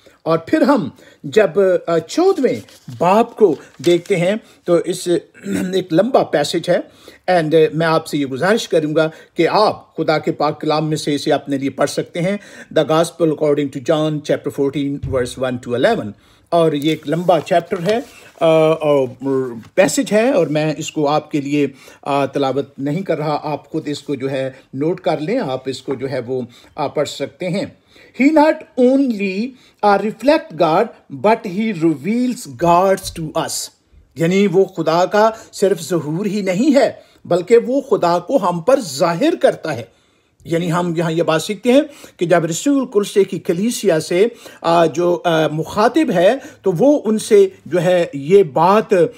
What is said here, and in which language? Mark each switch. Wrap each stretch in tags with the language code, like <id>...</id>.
<hi>और फिर हम जब 14वें बाप को देखते हैं तो इस एक लंबा पैसेज है, एंड मैं आपसे ये गुजारिश करूंगा कि आप खुदा के पाक कलाम में से इसे अपने लिए पढ़ सकते हैं,</hi> <en>The gospel according to John chapter 14 verse 1-11।</en> <hi>और ये एक लंबा चैप्टर है और पैसेज है, और मैं इसको आपके लिए तलावत नहीं कर रहा, आप खुद इसको जो है नोट कर लें, आप इसको जो है वो पढ़ सकते हैं।</hi> <en>He not only reflect God, but he reveals God to us.</en> <hi>यानी वो खुदा का सिर्फ ज़हूर ही नहीं है, बल्कि वो खुदा को हम पर जाहिर करता है। यानी हम यहाँ ये बात सीखते हैं कि जब रसूल कुलसे की कलीसिया से जो मुखातिब है, तो वो उनसे जो है ये बात</hi>